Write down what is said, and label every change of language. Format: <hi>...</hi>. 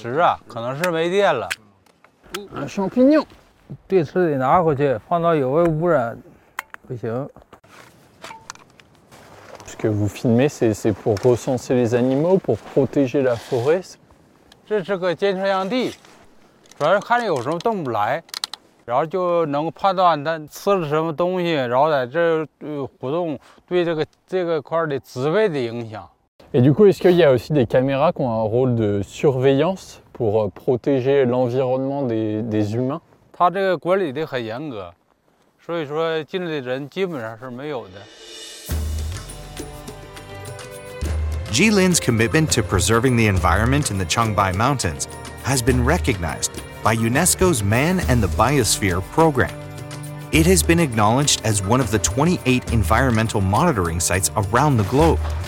<zh>它这主要是有那个刨出来的活动，所以它这个相机因为你看，主要是这块开阔地嘛，这个相机已经下了很长时间了。一个是看看它拍到东西，如果没有拍到的话，咱们再换一个位置；再一个就是相机里边这个电池啊，可能是没电了。</zh> <fr>Champignon，</fr> <zh>电池得拿回去，放到野外污染不行。</zh> <fr>Que vous filmez, c'est pour recenser les animaux, pour protéger la forêt.</fr> <zh>这是个监测样地，主要是看有什么动不来，然后就能判断它吃了什么东西，然后在这活动对这个这块的植被的影响。</zh> <fr>Et du coup, est-ce qu'il y a aussi des caméras qui ont un rôle de surveillance pour protéger l'environnement des humains?</fr> <zh>它这个管理的很严格，所以说进来的人基本上是没有的。</zh> <en>Jilin's commitment to preserving the environment in the Changbai Mountains has been recognized by UNESCO's Man and the Biosphere program. It has been acknowledged as one of the 28 environmental monitoring sites around the globe.</en>